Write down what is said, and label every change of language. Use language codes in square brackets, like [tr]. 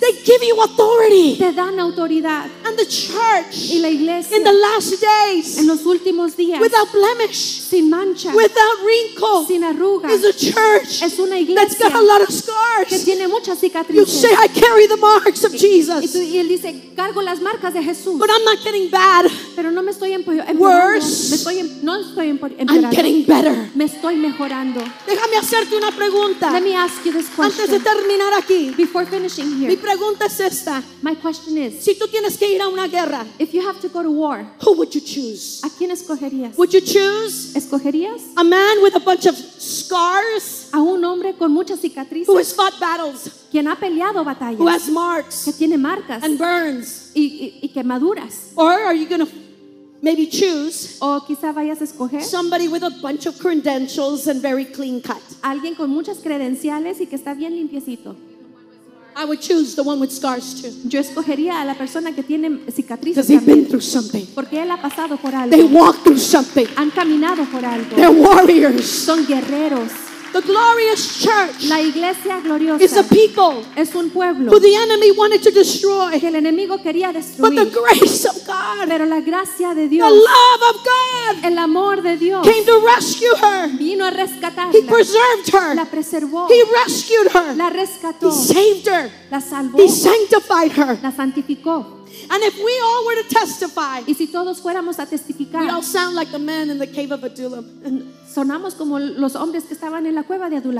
[en] they give you authority. [es] Te dan autoridad. [en] And the church, [es] y la iglesia, [en] in the last days, [es] en los últimos días, [en] without blemish, [es] sin mancha, [en] without wrinkle, [es] sin arruga, [en] is a church [es] es una iglesia [en] that's got a lot of scars. [es] Que tiene muchas cicatrices. [en] You say, I carry the marks of Jesus. [es] Y él dice, cargo las marcas de Jesús. [en] But I'm not getting bad. [es] Pero no me estoy empeorando. [en] Worse. I'm getting better. [es] Me estoy mejorando. Déjame hacerte una pregunta. [en] Let me ask you this question. [es] Antes de terminar aquí. [en] Before finishing here. [es] Mi pregunta es esta. [en] My question is. [es] Si tú tienes que ir a una guerra. [en] If you have to go to war. Who would you choose? [es] ¿A quién escogerías? [en] Would you choose? [es] ¿Escogerías? [en] A man with a bunch of scars. [es] A un hombre con muchas cicatrices. [en] Who has fought battles. [es] Quien ha peleado batallas. [en] Who has marks. [es] Que tiene marcas. [en] And burns. [es] Y quemaduras. [en] Or are you going to maybe choose [es] o quizá vayas a escoger [en] somebody with a bunch of credentials and very clean cut. [es] Alguien con muchas credenciales y que está bien limpiecito. [en] I would choose the one with scars too. [es] Yo escogería a la persona que tiene cicatrices. [en] Because he's been through something. [es] Porque él ha pasado por algo. [en] They walked through something. [es] Han caminado por algo. [en] They're warriors. [es] Son guerreros. [en] The glorious church, [es] la iglesia gloriosa, [en] is a people, [es] es un pueblo, [en] who the enemy wanted to destroy, [es] que el enemigo quería destruir, [en] but the grace of God, [es] pero la gracia de Dios, [en] the love of God, [es] el amor de Dios, [en] came to rescue her, [es] vino a rescatarla, [en] he preserved her, [es] la preservó, [en] he rescued her, [es] la rescató, [en] he saved her, [es] la salvó, [en] he sanctified her, [es] la santificó. [en] And if we all were to testify, [es] y si todos fuéramos a testificar, [en] we all sound like the men in the cave of Adullam. [es] Sonamos como los hombres que estaban en la cueva de Adullam.